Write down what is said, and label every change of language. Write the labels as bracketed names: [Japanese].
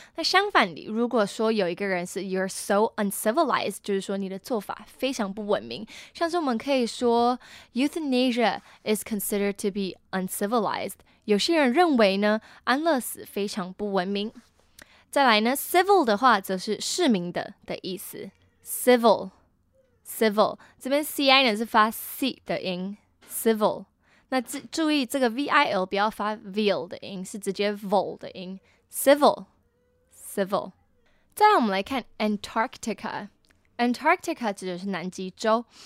[Chinese] 那相反的，如果说有一个人是 [English] you're so uncivilized， [Chinese] 就是说你的做法非常不文明，像是我们可以说 [English] euthanasia is considered to be uncivilized， [Chinese] 有些人认为呢，安乐死非常不文明。再来呢 ，civil 的话则是市民的意思。 civil， 这边 c i 呢是发 c 的音 ，civil。那注意这个 v i l 不要发 vil 的音，是直接 vol 的音。 [English] civil。 [Chinese] 再来我们来看 Antarctica 指的是南极洲。